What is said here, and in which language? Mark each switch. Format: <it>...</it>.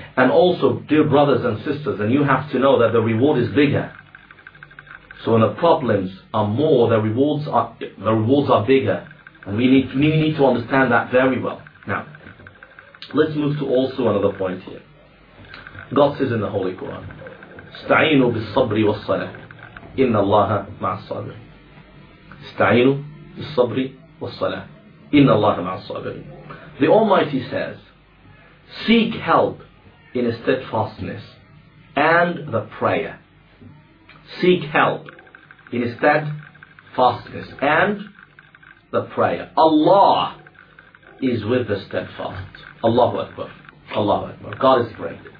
<en>And also, dear brothers and sisters, and you have to know that the reward is bigger. So when the problems are more, the rewards are bigger. And we need to understand that very well. Now, let's move to also another point here. God says in the Holy Quran,</en> <ar>استعينوا بالصبر والصلاة إن الله مع الصابرين. استعينوا بالصبر والصلاة إن الله مع الصابرين.</ar> <en>The Almighty says, seek help in steadfastness and the prayer. Seek help in steadfastness and the prayer. Allah is with the steadfast. Allahu Akbar. Allahu Akbar. God is great.</en>